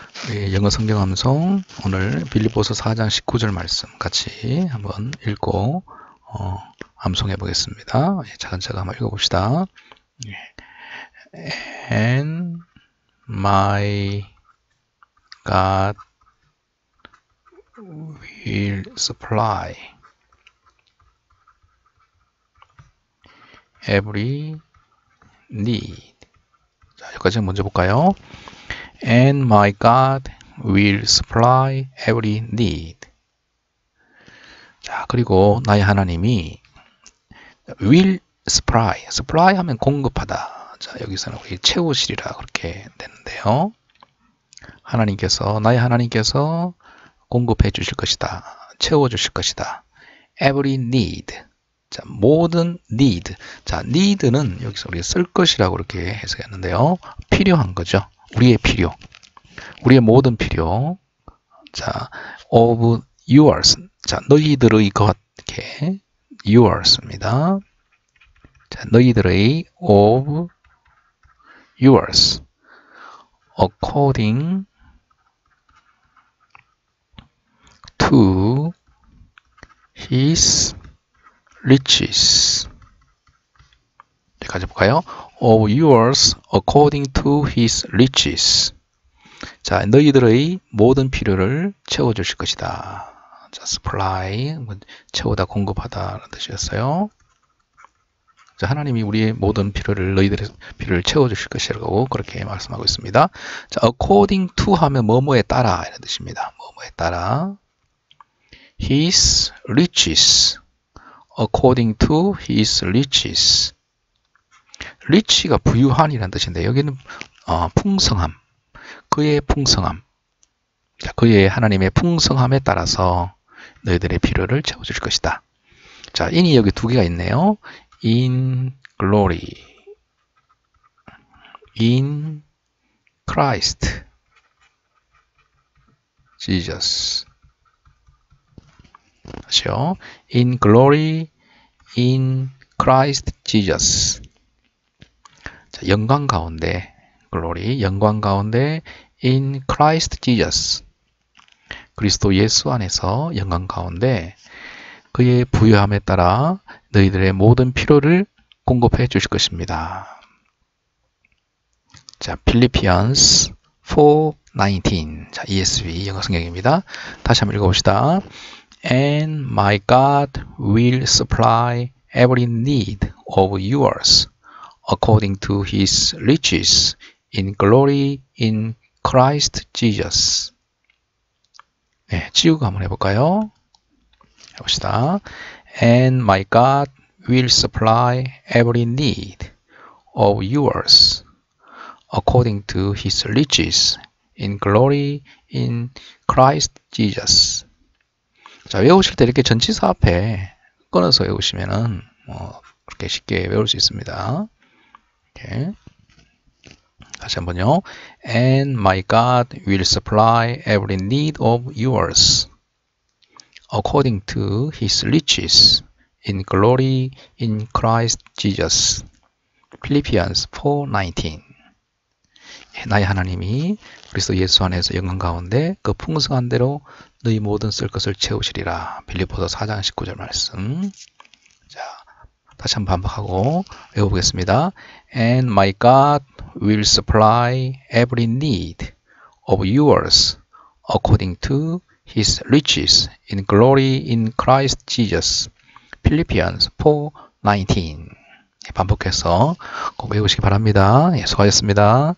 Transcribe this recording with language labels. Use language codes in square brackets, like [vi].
[ko] 우리 영어 성경 암송 오늘 빌립보서 4장 19절 말씀 같이 한번 읽고 암송해 보겠습니다. 차근차근 한번 읽어봅시다. [en] And my God will supply every need. [ko] 여기까지 먼저 볼까요? [en] And my God will supply every need. [ko] 자, 그리고 나의 하나님이 [en] will supply. [ko] supply 하면 공급하다. 자, 여기서는 우리 채우시리라 그렇게 되는데요. 하나님께서, 나의 하나님께서 공급해 주실 것이다. 채워 주실 것이다. [en] every need. [ko] 자, 모든 need. 자, need는 여기서 우리가 쓸 것이라고 이렇게 해석했는데요. 필요한 거죠. 우리의 필요. 우리의 모든 필요. 자, [en] of yours. [ko] 자, 너희들의 것. 이렇게. yours입니다. 자, 너희들의 [en] of yours. according to his riches. [ko] 여기까지 볼까요? [en] of yours according to his riches. [ko] 자, 너희들의 모든 필요를 채워주실 것이다. 자, supply, 채우다, 공급하다라는 뜻이었어요. 자, 하나님이 우리의 모든 필요를, 너희들의 필요를 채워주실 것이라고 그렇게 말씀하고 있습니다. 자, according to 하면 뭐뭐에 따라, 이런 뜻입니다. 뭐뭐에 따라. [en] His riches. According to his riches. [ko] rich가 부유한이라는 뜻인데, 여기는 풍성함. 그의 풍성함, 그의 하나님의 풍성함에 따라서 너희들의 필요를 채워줄 것이다. 자, 인이 여기 두 개가 있네요. [en] In glory, in Christ, Jesus. [ko] 아시죠? [en] In glory, in Christ, Jesus. [ko] 자, 영광 가운데, glory, 영광 가운데. [en] In Christ Jesus, [ko] 그리스도 예수 안에서 영광 가운데 그의 부요함에 따라 너희들의 모든 필요를 공급해 주실 것입니다. [en] 자, Philippians 4:19. [ko] 자, ESV 영어성경입니다. 다시 한번 읽어봅시다. [en] And my God will supply every need of yours according to his riches in glory in Christ Jesus. [ko] 네, 지우고 한번 해볼까요? 해봅시다. [en] And my God will supply every need of yours according to his riches in glory in Christ Jesus. [ko] 자, 외우실 때 이렇게 전치사 앞에 끊어서 외우시면은 뭐 그렇게 쉽게 외울 수 있습니다. 이렇게. 다시 한번요. [en] And my God will supply every need of yours according to his riches in glory in Christ Jesus. Philippians 4:19. [ko] 나의 하나님이 그리스도 예수 안에서 영광 가운데 그 풍성한 대로 너희 모든 쓸 것을 채우시리라. 빌립보서 4장 19절 말씀. 다시 한번 반복하고 외워보겠습니다. [en] And my God will supply every need of yours according to his riches in glory in Christ Jesus. [ko] Philippians 4:19. 반복해서 꼭 외우시기 바랍니다. 수고하셨습니다.